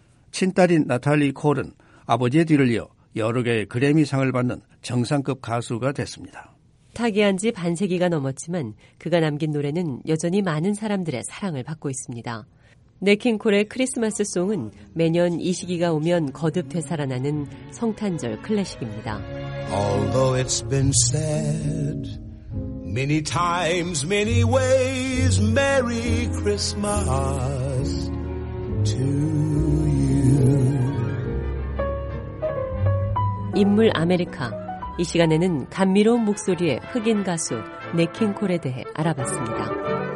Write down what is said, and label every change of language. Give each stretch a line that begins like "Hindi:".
Korean: 친딸인 나탈리 콜은 아버지의 뒤를 이어 여러 개의 그래미상을 받는 정상급 가수가 됐습니다. 타계한 지 반세기가 넘었지만 그가 남긴 노래는 여전히 많은 사람들의 사랑을 받고 있습니다. 네킹 콜의 크리스마스 송은 매년 이 시기가 오면 거듭 되살아나는 성탄절 클래식입니다.
English: Although it's been said many times, many ways, Merry Christmas to you.
Korean: 인물 아메리카. 이 시간에는 감미로운 목소리의 흑인 가수 네킹 콜에 대해 알아봤습니다.